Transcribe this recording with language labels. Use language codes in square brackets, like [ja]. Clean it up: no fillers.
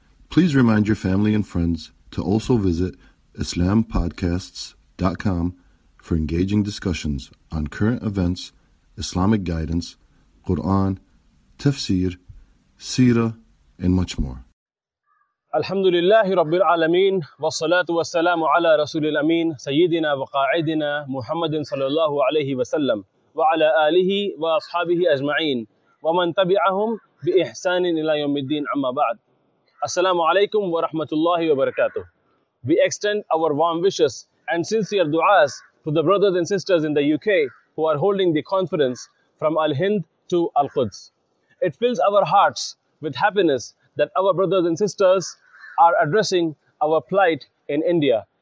[en] Please remind your family and friends to also visit IslamPodcasts.com for engaging discussions on current events, Islamic guidance, Quran, tafsir, seerah, and much more. [ar] الحمد لله رب العالمين والصلاة والسلام على رسول الأمين سيدنا وقائدنا محمد صلى الله عليه وسلم وعلى آله وأصحابه أجمعين ومن تبعهم بإحسان إلى يوم الدين عما بعد السلام عليكم ورحمة الله وبركاته. [en] We extend our warm wishes and sincere du'as to the brothers and sisters in the UK who are holding the conference from Al-Hind to Al-Quds. It fills our hearts with happiness that our brothers and sisters are addressing our plight in India.